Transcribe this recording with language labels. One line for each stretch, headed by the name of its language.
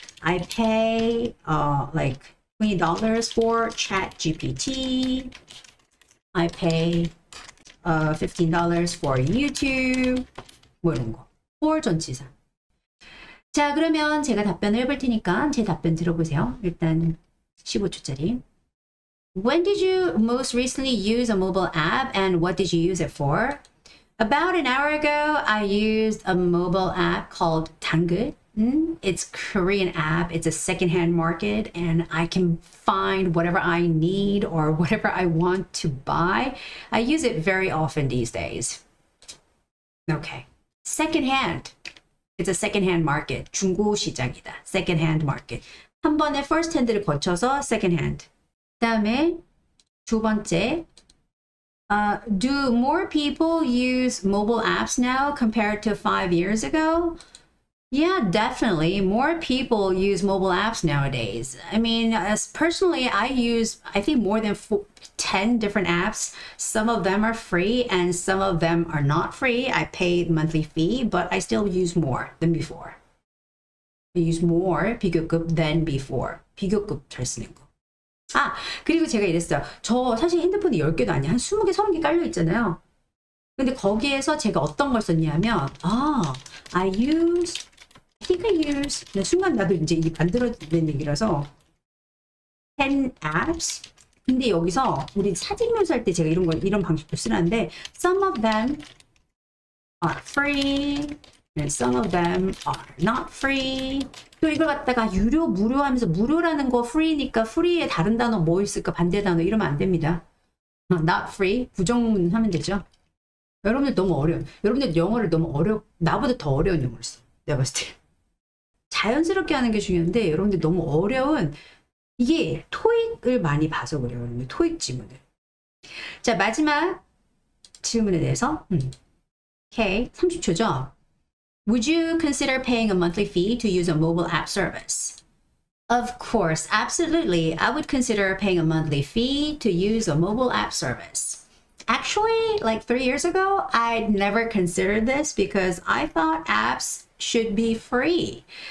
English: I pay $20 for ChatGPT. I pay $15 for YouTube.
Korean: 뭐 이런 거.
English: for 전치사.
Korean: 자, 그러면 제가 답변을 해볼 테니까 제 답변 들어보세요. 일단 15초짜리.
English: When did you most recently use a mobile app and what did you use it for? About an hour ago, I used a mobile app called Tangut. It's Korean app. It's a secondhand market and I can find whatever I need or whatever I want to buy. I use it very often these days. Okay. Secondhand. It's a secondhand market.
Korean: 중고 시장이다.
English: Secondhand market.
Korean: 한 번에 first hand를 거쳐서 second hand. 그다음에 두 번째.
English: Do more people use mobile apps now compared to 5 years ago? Yeah, definitely. More people use mobile apps nowadays. I mean, as personally, I think more than 10 different apps. Some of them are free and some of them are not free. I pay monthly fee, but I still use more than before. Use more 비교급 than before.
Korean: 비교급 잘 쓰는 거. 아, 그리고 제가 이랬어요. 저 사실 핸드폰이 10개도 아니야. 한 20개, 30개 깔려 있잖아요. 근데 거기에서 제가 어떤 걸 썼냐면, 나 순간 나도 이제 이게 만들어낸 얘기라서. 10 apps. 근데 여기서 우리 사진 묘사할 때 제가 이런 방식도 쓰는데,
English: some of them are free. And some of them are not free.
Korean: 또 이걸 갖다가 유료, 무료 하면서 무료라는 거 free니까 free에 다른 단어 뭐 있을까? 반대 단어 이러면 안 됩니다.
English: Not free.
Korean: 부정하면 되죠. 여러분들 너무 어려워. 여러분들 영어를 너무 어려워. 나보다 더 어려운 영어를 써. 내가 봤을 때. 자연스럽게 하는 게 중요한데 여러분들 너무 어려운 이게 토익을 많이 봐서 그래요. 여러분들 토익 지문을. 자, 마지막 질문에 대해서.
English: Okay. 30초죠? Would you consider paying a monthly fee to use a mobile app service? Of course, absolutely. I would consider paying a monthly fee to use a mobile app service. Actually, like 3 years ago, I'd never considered this because I thought apps should be free.